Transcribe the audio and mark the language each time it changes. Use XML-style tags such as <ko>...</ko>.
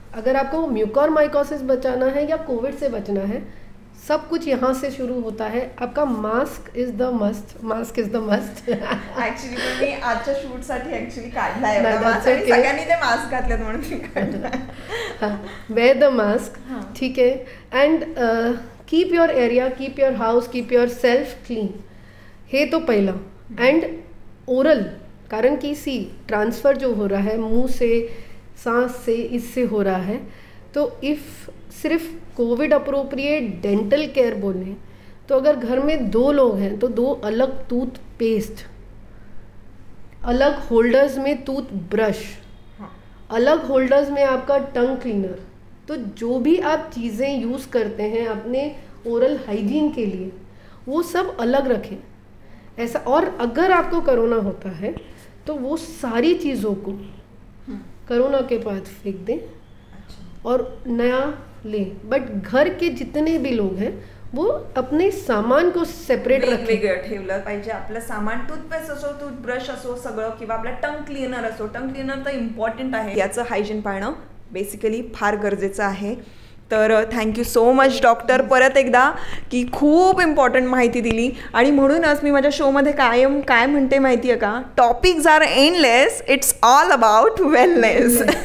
<hi>अगर आपको Mucor mycosis बचाना है या कोविड से बचना है, सब कुछ यहाँ से शुरू होता है. आपका</hi> <en>Mask is the must, mask is the must.</en> <mr>Actually आजच्या शूटसाठी एक्चुअली काढला आहे मास्क, सगळ्यांनी ते मास्क घातले म्हणून मी काढला.</mr> <en>wear the mask,</en> <mr>ठीक आहे,</mr> <en>and keep your area, keep your house, keep yourself clean,</en> <mr>हे तो पहिलं.</mr> <hi>अँड ओरल, कारण की सी ट्रान्सफर जो हो रहा है मुँह से, सांस से, इससे हो रहा है. तो इफ़ सिर्फ कोविड अप्रोप्रिएट डेंटल केयर बोलें तो अगर घर में दो लोग हैं तो दो अलग टूथ पेस्ट, अलग होल्डर्स में टूथ ब्रश, अलग होल्डर्स में आपका टंग क्लीनर, तो जो भी आप चीज़ें यूज़ करते हैं अपने ओरल हाइजीन के लिए वो सब अलग रखें ऐसा. और अगर आपको कोरोना होता है तो वो सारी चीज़ों को कोरोना के बाद फेंक दें और नया लें. बट घर के जितने भी लोग हैं वो अपने सामान को सेपरेट रखें,</hi> <mr>ठेवलं पाहिजे आपलं सामान, टूथपेस्ट असो, टूथब्रश असो सगळं, किंवा आपला टंग क्लीनर असो. टंग क्लीनर तर इम्पॉर्टंट आहे, याचं हायजीन पाळणं बेसिकली फार गरजेचं आहे. तर</mr> <en>thank you so much</en> <mr>डॉक्टर परत एकदा की खूप इम्पॉर्टंट माहिती दिली. आणि म्हणूनच मी माझ्या शोमध्ये कायम काय म्हणते माहिती आहे का,</mr> <en>Topics are endless, it's all about wellness.</en>